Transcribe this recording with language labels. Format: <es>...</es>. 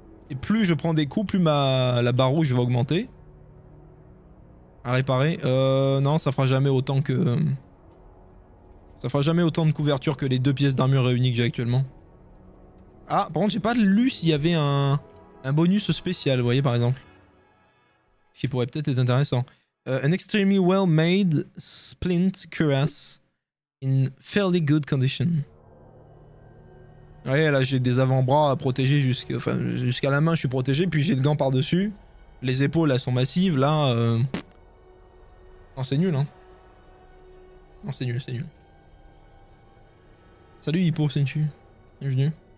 <fr>Et plus je prends des coups, plus la barre rouge va augmenter. À réparer, non, ça fera jamais autant que. Ça fera jamais autant de couverture que les deux pièces d'armure réunies que j'ai actuellement. Ah, par contre, j'ai pas lu s'il y avait un bonus spécial, vous voyez, par exemple. Ce qui pourrait peut-être être intéressant.</fr> <en>An extremely well-made splint cuirass in fairly good condition.</en> <fr>Ouais, là, j'ai des avant-bras protégés jusqu'à la main, je suis protégé, puis j'ai le gant par-dessus. Les épaules, elles sont massives, là. C'est nul, hein. Non, c'est nul, c'est nul. Salut Hippo, c'est une bienvenue.</fr>